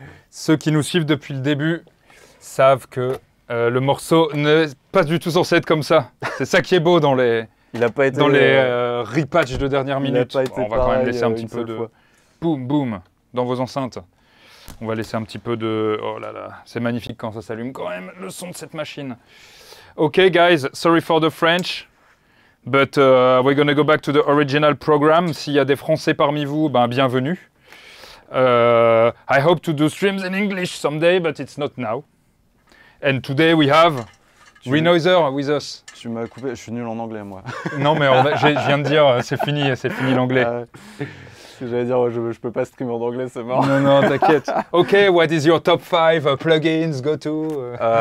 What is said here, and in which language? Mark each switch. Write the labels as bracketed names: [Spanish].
[French] Ceux qui nous suivent depuis le début savent que le morceau n'est pas du tout censé être comme ça. C'est ça qui est beau dans les, il a pas été dans les repatchs de dernière minute. Il a pas été, on va quand même laisser un petit peu de... Boum, boum, dans vos enceintes. On va laisser un petit peu de... Oh là là, c'est magnifique quand ça s'allume quand même, le son de cette machine. [English] Ok, guys, sorry for the French, but we're gonna go back to the original program. [French] S'il y a des Français parmi vous, ben bienvenue. [English] I hope to do streams in English someday, but it's not now. And today we have Renoiser with us. [French] Tu m'as coupé, je suis nul en anglais, moi. Non, mais je viens de dire, c'est fini l'anglais. J'allais dire, je peux pas streamer en anglais, c'est mort. Non, non, t'inquiète. [English] Ok, what is your top 5 plugins, go-to